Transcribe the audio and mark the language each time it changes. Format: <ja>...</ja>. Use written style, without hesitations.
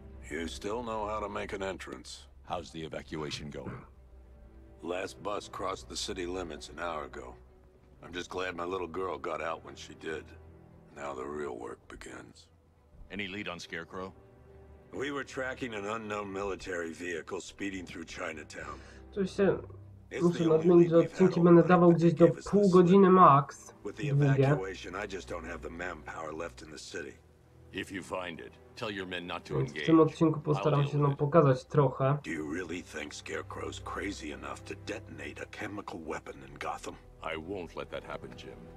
<en>You still know how to make an entrance. How's the evacuation going? Last bus crossed the city limits an hour ago. I'm just glad my little girl got out when she did. Now the real work begins. Any lead on Scarecrow? We were tracking an unknown military vehicle speeding through Chinatown.</en> <pl>Oczywiście muszę nadmienić, że odcinki będę dawał gdzieś do pół godziny max.</pl> <en>With the evacuation, I just don't have the manpower left in the city. If you find it, tell your men not to engage.</en> <pl>W tym odcinku postaram się no pokazać trochę.</pl> <en>Do you really think Scarecrow's crazy enough to detonate a chemical weapon in Gotham? I won't let that happen, Jim.</en>